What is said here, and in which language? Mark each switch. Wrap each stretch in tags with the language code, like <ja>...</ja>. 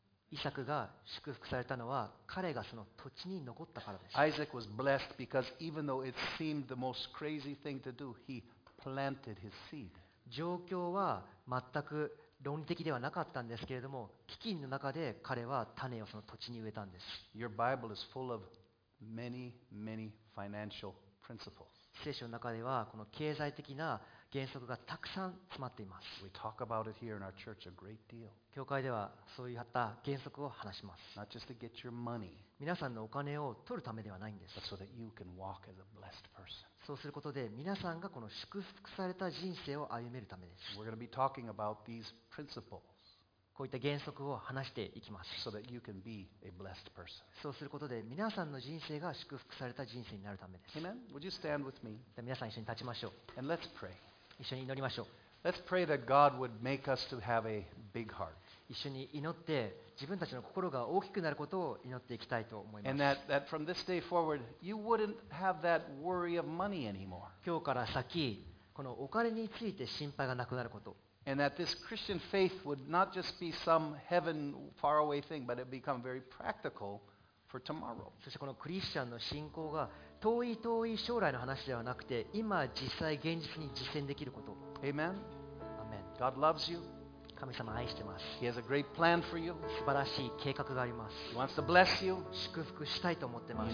<ja>イサクが祝福されたのは彼がその土地に残ったからです。</ja> <en>Isaac was blessed because even though it seemed the most crazy thing to do, he planted his seed.</en> <ja>状況は全く論理的ではなかったんですけれども、飢饉の中で彼は種をその土地に植えたんです。</ja> <en>Your Bible is full of many, many financial principles.</en> <ja>聖書の中ではこの経済的な原則がたくさん詰まっています。</ja> <en>We talk about it here in our church a great deal.</en> <ja>教会ではそういった原則を話します。</ja> <en>Not just to get your money.</en> <ja>皆さんのお金を取るためではないんです。</ja> <en>But so that you can walk as a blessed person.</en> <ja>そうすることで皆さんがこの祝福された人生を歩めるためです。</ja> <en>We're going to be talking about these principles.</en> <ja>こういった原則を話していきます。</ja> <en>So that you can be a blessed person.</en> <ja>そうすることで皆さんの人生が祝福された人生になるためです。</ja> <en>Amen? Would you stand with me?</en> <ja>で皆さん一緒に立ちましょう。</ja> <en>And let's pray.</en> <ja>一緒に祈りましょう。</ja> <en>Let's pray that God would make us to have a big heart.</en> <ja>一緒に祈って自分たちの心が大きくなることを祈っていきたいと思います。</ja> <en>And that from this day forward, you wouldn't have that worry of money anymore.</en> <ja>今日から先、このお金について心配がなくなること。</ja> <en>And that this Christian faith would not just be some heaven far away thing, but it would become very practical for tomorrow.</en> <ja>そしてこのクリスチャンの信仰が遠い遠い将来の話ではなくて、今実際現実に実践できること。</ja> <en>Amen. Amen. God loves you.</en> <ja>神様愛してます。</ja> <en>He has a great plan for you.</en> <ja>素晴らしい計画があります。</ja> <en>He wants to bless you.</en> <ja>祝福したいと思ってます。</ja>